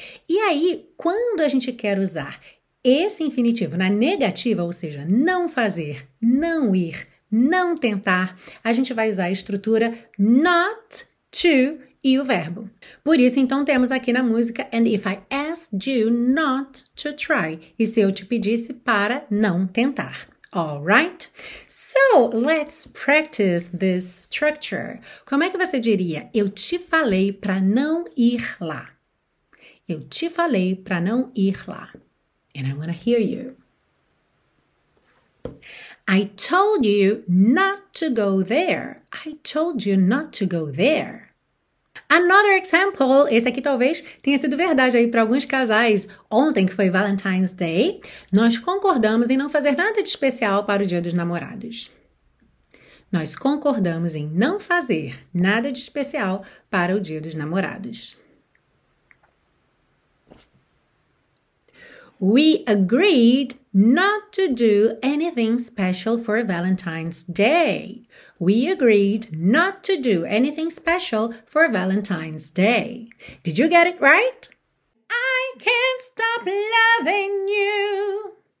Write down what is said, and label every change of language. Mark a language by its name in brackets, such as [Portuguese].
[Portuguese] E aí, quando a gente quer usar esse infinitivo na negativa, ou seja, não fazer, não ir, não tentar, a gente vai usar a estrutura not to e o verbo. Por isso, então, temos aqui na música, [English] and if I asked you not to try, [Portuguese] e se eu te pedisse para não tentar. [English] All right? So, let's practice this structure. [Portuguese] Como é que você diria, eu te falei para não ir lá? Eu te falei para não ir lá. [English] And I want to hear you. I told you not to go there. I told you not to go there. Another example. [Portuguese] Esse aqui talvez tenha sido verdade aí para alguns casais. Ontem, que foi Valentine's Day, nós concordamos em não fazer nada de especial para o Dia dos Namorados. Nós concordamos em não fazer nada de especial para o Dia dos Namorados. [English] We agreed not to do anything special for Valentine's Day. We agreed not to do anything special for Valentine's Day. Did you get it right? I can't stop loving you.